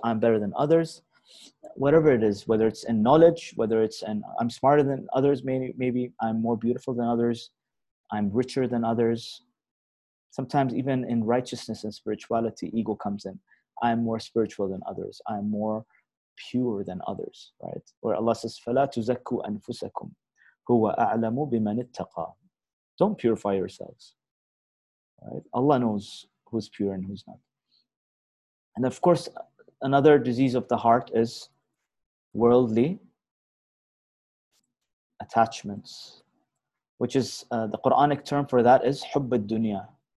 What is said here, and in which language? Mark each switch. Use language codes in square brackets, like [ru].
[en] I'm better than others. Whatever it is, whether it's in knowledge, whether it's in I'm smarter than others, maybe I'm more beautiful than others, I'm richer than others. Sometimes even in righteousness and spirituality, ego comes in. I'm more spiritual than others. I'm more pure than others, right? Where Allah says, [ar] فَلَا تُزَكُّوا أَنفُسَكُمْ هُوَ أَعْلَمُ بِمَنِ اتَّقَى. [en] Don't purify yourselves, right? Allah knows who's pure and who's not. And of course, another disease of the heart is worldly attachments, which is the Quranic term for that is حُبَّ الدُّنْيَا.